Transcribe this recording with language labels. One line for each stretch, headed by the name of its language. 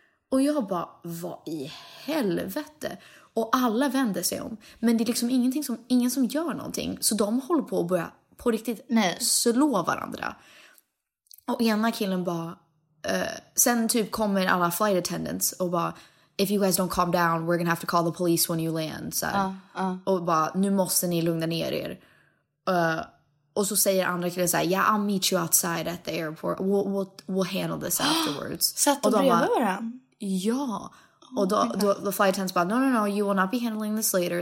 Swedish: Och jag bara, vad i helvete? Och alla vände sig om. Men det är liksom ingenting som, ingen som gör någonting. Så de håller på att börja på riktigt slå varandra. Och ena killen bara... sen typ kommer alla flight attendants och bara...
English: If you guys don't calm down, we're gonna have to call the police when you land.
Swedish: Så och bara, nu måste ni lugna ner er. Och så säger andra killen så här,
English: yeah, I'll meet you outside at the airport. We'll handle this afterwards.
Swedish: Satt de bredvid varandra? Ja, och då flight attendants bara,
English: no, you will not be handling this later.